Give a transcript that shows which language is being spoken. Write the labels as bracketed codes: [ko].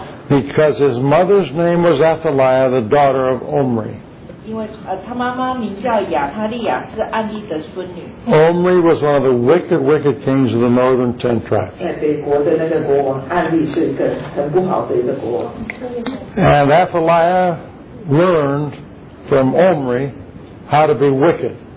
[en] Because his mother's name was Athaliah, the daughter of Omri. [zh] 因为他妈妈名叫亚他利亚，是暗地的孙女。 [en] Omri was one of the wicked, wicked kings of the northern ten tribes. [zh] 在北国的那个国王，暗地是一个很不好的一个国王。 [en] And Athaliah learned from Omri how to be wicked.